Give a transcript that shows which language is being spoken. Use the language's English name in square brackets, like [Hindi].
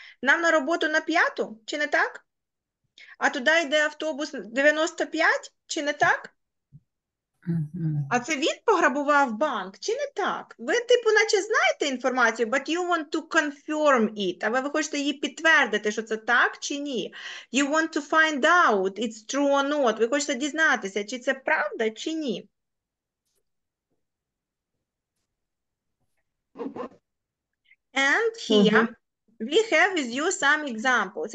[Ukrainian] Нам на роботу на п'яту чи не так? А туди йде автобус 95 чи не так? А це він пограбував банк чи не так? Ви, типу, наче знаєте інформацію, [English] but you want to confirm it. [Ukrainian] Але ви хочете її підтвердити, що це так чи ні. [English] You want to find out it's true or not. [Ukrainian] Ви хочете дізнатися, чи це правда чи ні. [English] And here we have with you some examples.